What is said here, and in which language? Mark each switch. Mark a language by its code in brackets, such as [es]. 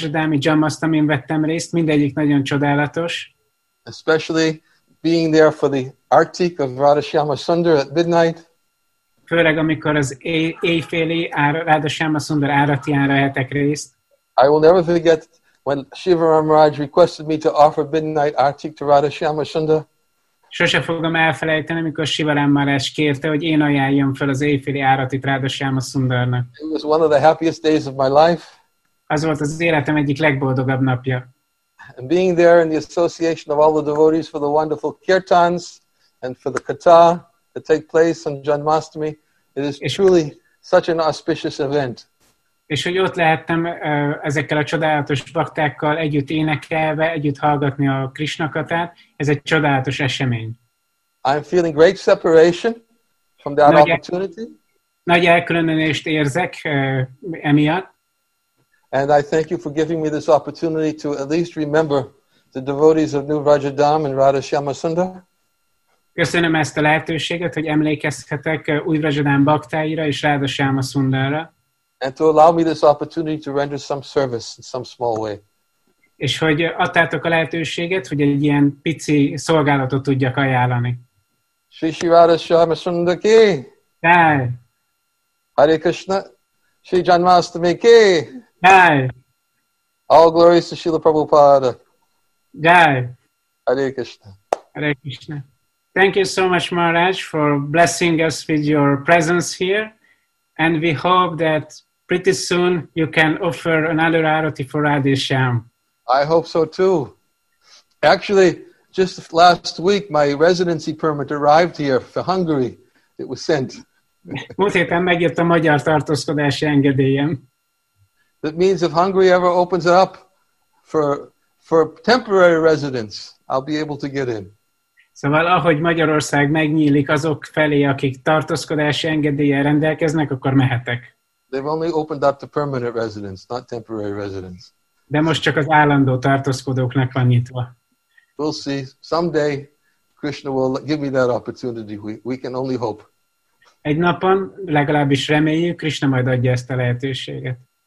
[hu] Jamasztamin vettem részt, mindegyik nagyon csodálatos. [en] Especially being there for the Artik of Radha Shyama Sundar at midnight. [hu] Főleg amikor az éjféli Radha Shyama Sundar áratián vehetek részt. [en] I will never forget when Shivaram Raj requested me to offer midnight Artik to Radha Shyama Sundar. [hu] Sose fogom elfelejteni, amikor Shivaram Maharaj kérte, hogy én ajánljam fel az éjféli áratit Radha Shyama Sundarnak. [en] It was one of the happiest days of my life. [hu] Az volt az életem egyik legboldogabb napja. [en] And being there in the association of all the devotees for the wonderful kirtans and for the katha that take place on Janmashtami, it is truly such an auspicious event. [hu] És hogy ott lehettem ezekkel a csodálatos baktákkal együtt énekelve, együtt hallgatni a Krishna katát, ez egy csodálatos esemény. [en] I'm feeling great separation from that nagy opportunity. [hu] Nagy elkülönülést érzek emiatt. [en] And I thank you for giving me this opportunity to at least remember the devotees of New Vrajadham and Radha Shyama Sundar. [hu] Köszönöm ezt a lehetőséget, hogy emlékezhetek Új Vrajadham baktáira és Radha Shyama Sundarra. [en] And to allow me this opportunity to render some service in some small way. [hu] És hogy adtátok a lehetőséget, hogy egy ilyen pici szolgálatot tudjak ajánlani. Shri Shri Radha Shyama Sundar ki! Jai! Hare Krishna! Shri Janmashtami ki! Jai! [en] All glories to Srila Prabhupada. Jai! Hare Krishna. Hare Krishna. Thank you so much, Maharaj, for blessing us with your presence here. And we hope that pretty soon you can offer another arati for Radha Shyama. I hope so too. Actually, just last week, my residency permit arrived here for Hungary. It was sent. [hu] Múlt héten megjött a magyar tartózkodási engedélyem. [en] That means if Hungary ever opens it up for temporary residence, I'll be able to get in. [hu] Szóval ahogy Magyarország megnyílik azok felé, akik tartózkodási engedéllyel rendelkeznek, akkor mehetek. [en] They've only opened up to permanent residence, not temporary residence. [hu] De most csak az állandó tartózkodóknak van nyitva. [en] We'll see. Someday Krishna will give me that opportunity. We can only hope. [hu] Egy napon, legalábbis reméljük, Krishna majd adja ezt a lehetőséget.